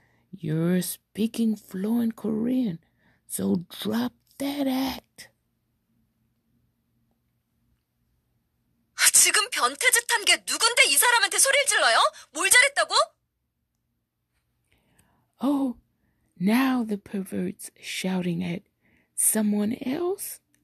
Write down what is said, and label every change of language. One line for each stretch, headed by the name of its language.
English: You're speaking fluent Korean, so drop that act.
Korean: 지금 변태 짓한 게 누군데 이 사람한테 소리를 질러요? 뭘 잘했다고?
English: Oh, now the pervert's shouting at someone else?